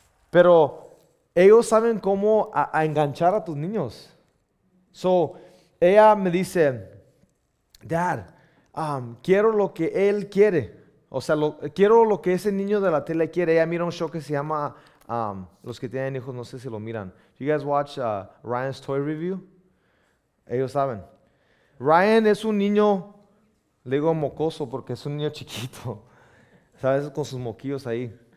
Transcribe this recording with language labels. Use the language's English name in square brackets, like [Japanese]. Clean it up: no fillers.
[Spanish] Pero ellos saben cómo a enganchar a tus niños. So, ella me dice, Dad, quiero lo que él quiere. O sea, quiero lo que ese niño de la tele quiere. Ella mira un show que se llama... los que tienen hijos, no sé si lo miran. [English] You guys watch Ryan's Toy Review? [Spanish] Ellos saben. Ryan es un niño, le digo mocoso porque es un niño chiquito. ¿Sabes? Con sus moquillos ahí.